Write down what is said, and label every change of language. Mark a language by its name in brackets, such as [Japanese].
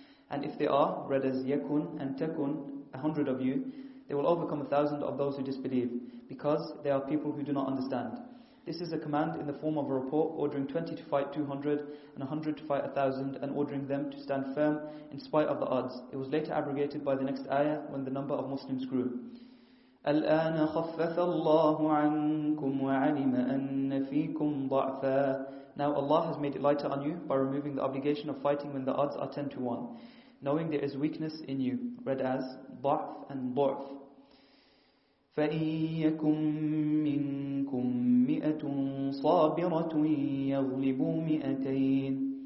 [English] And if they are, read as yakun and takun, 100 of you, they will overcome 1,000 of those who disbelieve, because they are people who do not understand. This is a command in the form of a report, ordering 20 to fight 200, and 100 to fight 1,000, and ordering them to stand firm in spite of the odds. It was later abrogated by the next ayah when the number of Muslims grew. [Arabic] الآن خفف الله عنكم وعلم أن فيكم ضعفا [English] Now Allah has made it lighter on you by removing the obligation of fighting when the odds are 10 to 1, knowing there is weakness in you, read as ضعف and ضعف. [Arabic] فَإِن يَكُمْ مِنْكُمْ مِئَةٌ صَابِرَةٌ يَغْلِبُوا مِئَتَيْنِ